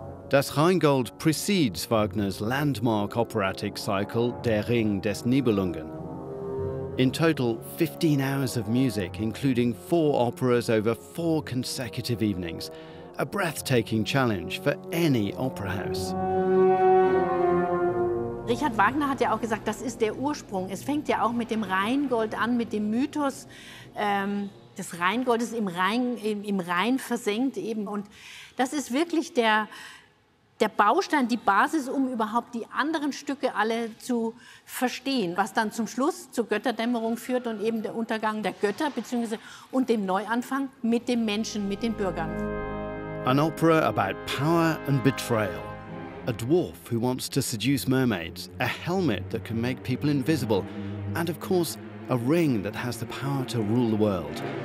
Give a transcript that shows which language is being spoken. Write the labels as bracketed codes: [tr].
[en] Das Rheingold precedes Wagner's landmark operatic cycle, Der Ring des Nibelungen. In total, 15 hours of music, including four operas over four consecutive evenings. A breathtaking challenge for any opera house. [de] Richard Wagner hat ja auch gesagt, das ist der Ursprung. Es fängt ja auch mit dem Rheingold an, mit dem Mythos des Rheingoldes im Rhein versenkt eben. Und das ist wirklich der Baustein, die Basis, um überhaupt die anderen Stücke alle zu verstehen, was dann zum Schluss zur Götterdämmerung führt und eben der Untergang der Götter beziehungsweise und dem Neuanfang mit dem Menschen, mit den Bürgern. [en] An opera about power and betrayal. A dwarf who wants to seduce mermaids, a helmet that can make people invisible, and of course, a ring that has the power to rule the world.